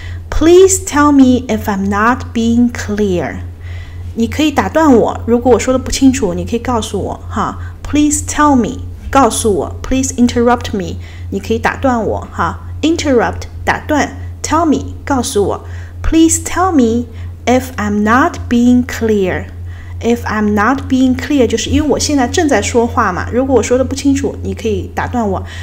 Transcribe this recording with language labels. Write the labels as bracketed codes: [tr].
[en] Please tell me if I'm not being clear. [zh] 你可以打断我，如果我说的不清楚，你可以告诉我，哈。 [en] Please tell me, [zh] 告诉我。 [en] Please interrupt me, [zh] 你可以打断我，哈。 Interrupt, 打断。 [en] Tell me, [zh] 告诉我。 [en] Please tell me, if I'm not being clear, If I'm not being clear, [zh] 就是因为我现在正在说话嘛。如果我说的不清楚，你可以打断我。